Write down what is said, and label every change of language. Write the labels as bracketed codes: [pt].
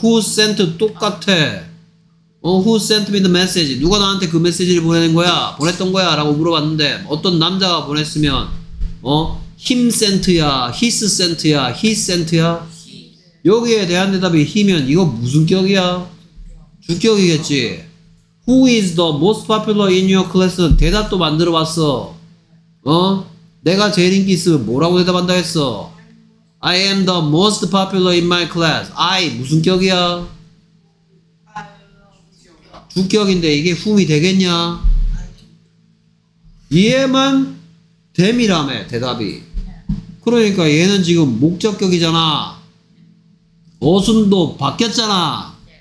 [en] who sent [ko] 똑같아. [en] Who sent me the message? [ko] 누가 나한테 그 메시지를 보내는 거야? 보냈던 거야? 라고 물어봤는데 어떤 남자가 보냈으면 어? [en] him sent야? his sent야? he sent야? [ko] 여기에 대한 대답이 him이면 이거 무슨 격이야? 주격이겠지. [en] Who is the most popular in your class? [ko] 대답도 만들어 봤어. 어? 내가 제일 인기 있으면 뭐라고 대답한다 했어? [en] I am the most popular in my class. [ko] I 무슨 격이야? 주격인데 이게 후미 되겠냐? 이해만 됨이라며 대답이. 그러니까 얘는 지금 목적격이잖아. 어순도 바뀌었잖아.